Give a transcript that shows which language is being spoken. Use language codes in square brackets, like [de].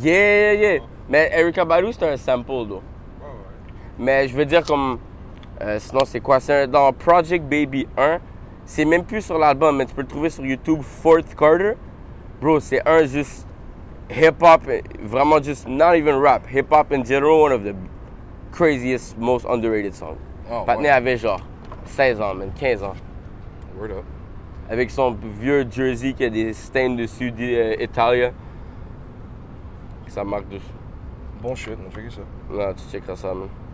[fr] Yeah. Mais Erykah Badu, c'est un sample, though. Ouais, ouais. Mais je veux dire, comme. Sinon, c'est quoi? C'est dans Project Baby 1. C'est même plus sur l'album, mais tu peux le trouver sur YouTube, Fourth Quarter. Bro, c'est un juste hip-hop, vraiment juste, [en] not even rap. Hip-hop in general, one of the craziest, most underrated songs. Oh, [fr] Patné ouais. Avait genre. 16 ans, man, 15 ans. [en] Word up. [fr] Avec son vieux jersey qui a des stains dessus d'Italia. Ça marque dessus. Bon shit, on checker ça. Non, tu checkeras ça, man.